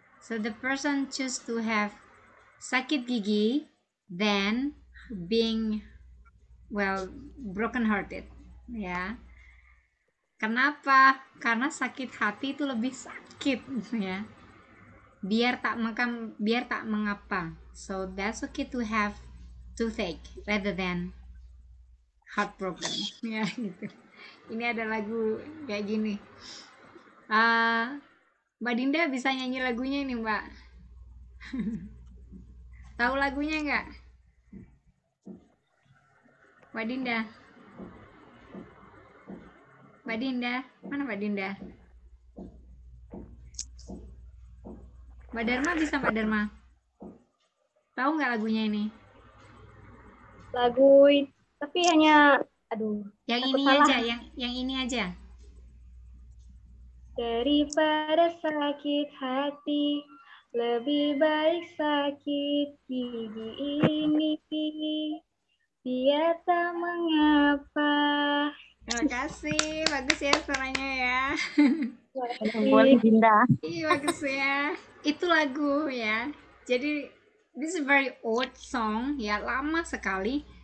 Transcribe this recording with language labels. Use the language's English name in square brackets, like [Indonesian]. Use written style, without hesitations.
[English] So the person choose to have [Indonesian] sakit gigi [English] than being well broken hearted. [Indonesian] Ya. Kenapa? Karena sakit hati itu lebih sakit, ya. Biar tak mengapa. [English] So that's okay to have toothache rather than heartbroken. [Indonesian] Ya, gitu. Ini ada lagu kayak gini. Mbak Dinda bisa nyanyi lagunya ini, Mbak. Tahu lagunya enggak? Mbak Dinda. Mbak Dinda, mana Mbak Dinda? Mbak Dharma bisa, Mbak Dharma? Tahu nggak lagunya ini? Lagu, tapi hanya, aduh. Yang ini salah. Aja, yang ini aja. Daripada sakit hati, lebih baik sakit gigi ini. Iya, tak mengapa. Terima kasih, bagus ya suaranya ya. Boleh, Dinda. Iya, bagus ya. Itu lagu ya. Jadi, [English] this is very old song, [Indonesian] ya, lama sekali.